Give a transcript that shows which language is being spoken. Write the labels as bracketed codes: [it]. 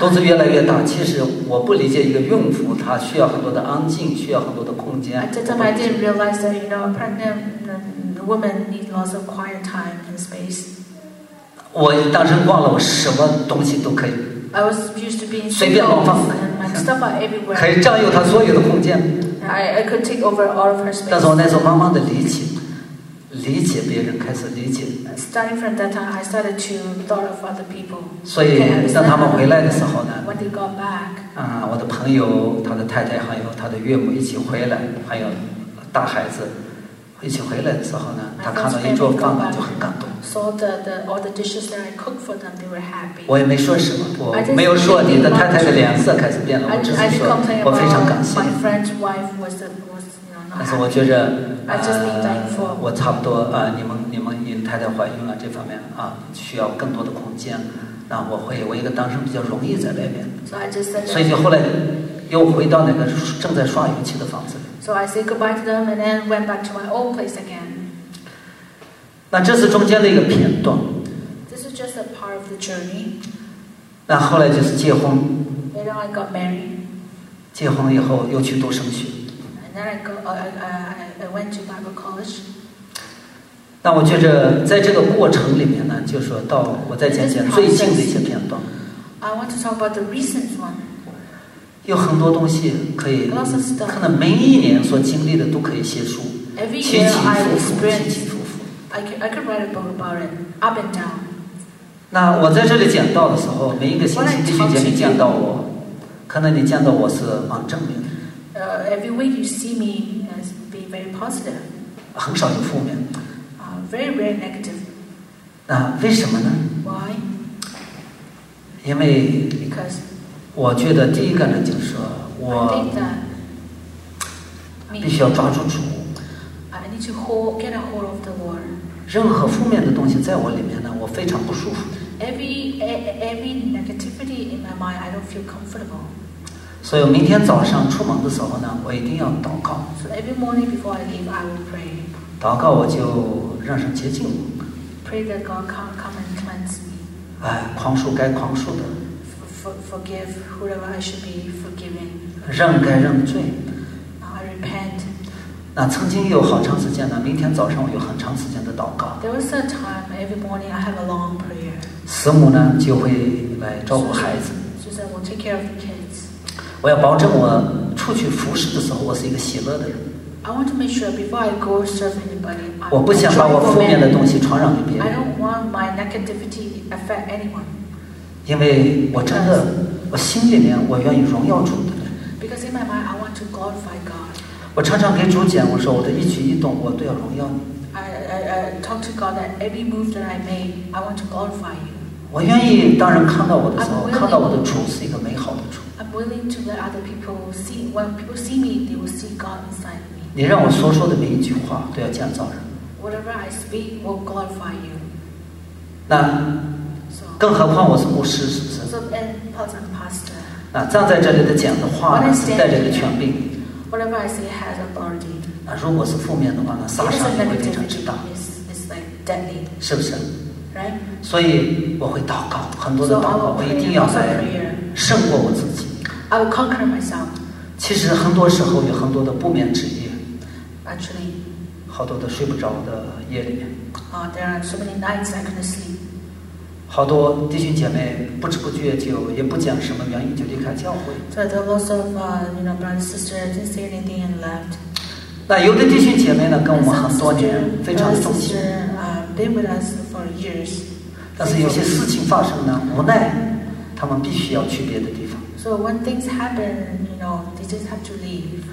[zh] 肚子越来越大，其实我不理解一个孕妇她需要很多的安静，需要很多的空间。 [en] At that time, I didn't realize that you know, pregnant women need lots of quiet time and space. [zh] 我单身惯了，我什么东西都可以。 [en] I was used to being [zh] 随便乱放。 [en] And my stuff are everywhere. [zh] 可以占有她所有的空间。 [en] I could take over all of her space. [zh] 但是我那时候慢慢的理解别人，开始理解。 [en] Starting from that time, I started to thought of other people. [zh] 所以当他们回来的时候呢 [en] ？When they got back. [zh] 我的朋友、他的太太还有他的岳母一起回来，还有大孩子一起回来的时候呢，他看到一桌饭就很感动。 [en] Saw the all the dishes that I cooked for them, they were happy. [zh] 我也没说什么，我没有说你的太太的脸色开始变了，我只是说我非常感谢。 [en] My friend's wife was you know. [zh] 但是我觉着。 [en] I just need thankful. [zh] 我差不多你们你太太怀孕了这方面需要更多的空间，那我一个单身比较容易在外面。 [en] So I just said. [zh] 所以就后来又回到那个正在刷油漆的房子里。 [en] So I said goodbye to them and then went back to my old place again. [zh] 那这是中间的一个片段。 [en] This is just just a part of the journey. [zh] 那后来就是结婚。 [en] And then I got married. [zh] 结婚以后又去读神学。 [en] And then I went to Bible college. [zh] 那我觉着在这个过程里面呢，就是说到我再讲讲最近的一些片段。 [en] I want to talk about the recent one. [zh] 有很多东西可以，可能每一年所经历的都可以写书。 [en] Every year [zh] 起起伏伏，起起伏伏。 [en] I can write a book about it, up and down. [zh] 那我在这里讲到的时候，每一个星期弟兄姐妹见到我，可能你见到我是蛮正面的。 [en] Every week you see me as be very positive. [zh] 很少有负面的。 [en] Very, very negative. [zh] 那为什么呢 [en] ？Why? [zh] 因为 [en] Because. [zh] 我觉得第一个呢，就是我必须要抓住主。 [en] I need to hold, get a hold of the Lord. [zh] 任何负面的东西在我里面呢，我非常不舒服。 [en] Every negativity in my mind, I don't feel comfortable. [zh] 所以明天早上出门的时候呢，我一定要祷告。 [en] So every morning before I leave, I will pray. [zh] 祷告我就。让神洁净我。 [en] Pray that God come and cleanse me. [zh] 哎，宽恕该宽恕的。 [en] Forgive whoever I should be forgiven. [zh] 认该认的罪。 [en] I repent. [zh] 那曾经有好长时间呢，明天早上我有很长时间的祷告。 [en] There was a time every morning I have a long prayer. [zh] 师母呢就会来照顾孩子。 [en] Susan will take care of the kids. [zh] 我要保证我出去服侍的时候，我是一个喜乐的人。 [en] I want to make sure before I go serve anybody. [zh] 我不想把我负面的东西传染给别人。 [en] I don't want my negativity affect anyone. [zh] 因为我真的，我心里面我愿意荣耀主的。 [en] Because in my mind, I want to glorify God. [zh] 我常常给主讲，我说我的一举一动，我都要荣耀你。 [en] I talk to God that every move that I make, I want to glorify you. [zh] 我愿意，当人看到我的时候，看到我的主是一个美好的主。 [en] I'm willing to let other people see. When people see me, they will see God inside. [zh] 你让我所说的每一句话都要建造人。 [en] Whatever I speak will glorify you. [zh] 那更何况我是牧师，是不是 [en] ？So an important pastor. [zh] 那站在这里的讲的话呢，是带着一个权柄。 [en] Whatever I say has authority. [zh] 那如果是负面的话呢，杀伤力会非常之大。 [en] It's like deadly. [zh] 是不是 [en] ？Right. [zh] 所以我会祷告，很多的祷告，我一定要来胜过我自己。 [en] I will conquer myself. [zh] 其实很多时候有很多的不眠之夜。 [en] Actually, [zh] 好多的睡不着的夜里面。 [en] There are so many nights I couldn't sleep. [zh] 好多弟兄姐妹不知不觉就也不讲什么原因就离开教会。 [en] So the loss of brothers and sisters didn't say anything and left. [zh] 那有的弟兄姐妹呢，跟我们很多年，非常忠心。 [en] Been with us for years. [zh] 但是有些事情发生呢，无奈，他们必须要去别的地方。 [en] So when things happen, they just have to leave.